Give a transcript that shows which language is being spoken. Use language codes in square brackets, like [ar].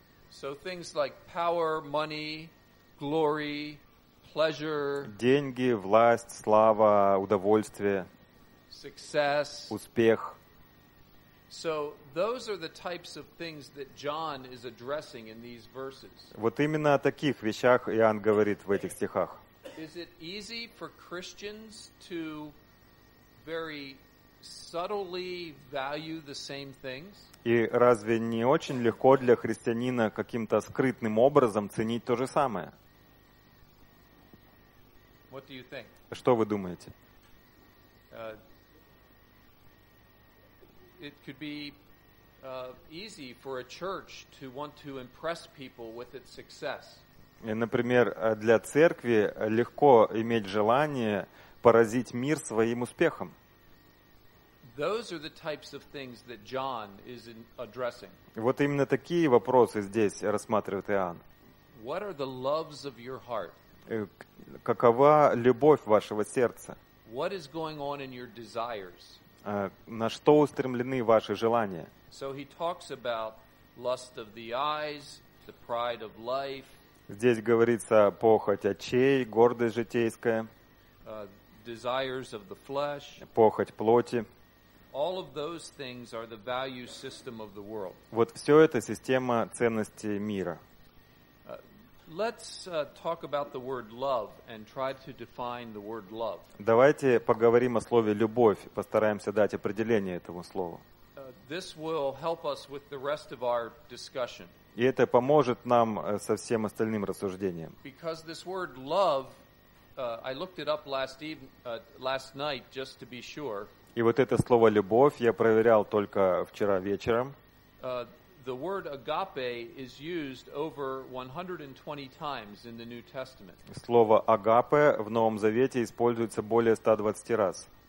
[en] So things like power, money, glory, pleasure. [ru] Деньги, власть, слава, удовольствие. [en] Success. [ru] Успех. [en] So those are the types of things that John is addressing in these verses. [ru] Вот именно о таких вещах Иоанн говорит в этих стихах. [en] Is it easy for Christians to very subtly value the same things? [ru] И разве не очень легко для христианина каким-то скрытным образом ценить то же самое? [en] What do you think? [ru] Что вы думаете? [en] It could be easy for a church to want to impress people with its success. [ru] И, например, для церкви легко иметь желание поразить мир своим успехом. [en] Those are the types of things that John is addressing. [ru] Вот именно такие вопросы здесь рассматривает Иоанн. [en] What are the loves of your heart? [ru] Какова любовь вашего сердца? [en] What is going on in your desires? [ru] На что устремлены ваши желания? [en] So he talks about lust of the eyes, the pride of life. [ru] Здесь говорится похоть очей, гордость житейская. [en] Desires of the flesh. [ru] Похоть плоти. [en] All of those things are the value system of the world. [ru] Вот все это система ценностей мира. [en] Let's talk about the word love and try to define the word love. [ru] Давайте поговорим о слове любовь, постараемся дать определение этому слову. [en] This will help us with the rest of our discussion. [ru] И это поможет нам со всем остальным рассуждением. [en] Because this word love, I looked it up last night just to be sure. [ru] И вот это слово любовь я проверял только вчера вечером. [en] The word agape is used over 120 times in the New Testament. [ru] Слово агапе в Новом Завете используется более 120 раз.